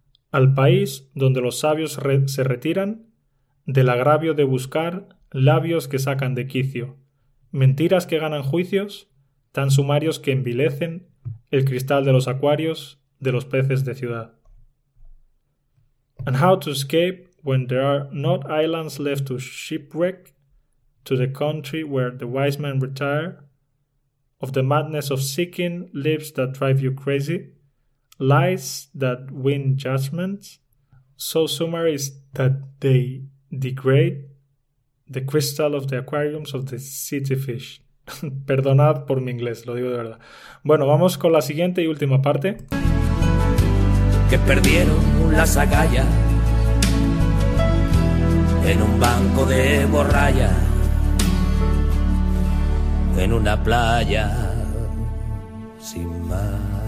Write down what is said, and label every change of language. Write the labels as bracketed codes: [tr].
[es] Al país donde los sabios se retiran del agravio de buscar labios que sacan de quicio. Mentiras que ganan juicios, tan sumarios que envilecen el cristal de los acuarios de los peces de ciudad. [en] And how to escape when there are not islands left to shipwreck, to the country where the wise men retire, of the madness of seeking lips that drive you crazy, lies that win judgments, so sumarious that they degrade, the crystal of the aquariums of the city fish. [es] Perdonad por mi inglés, lo digo de verdad. Bueno, vamos con la siguiente y última parte. Que perdieron las agallas en un banco de borralla en una playa sin mar.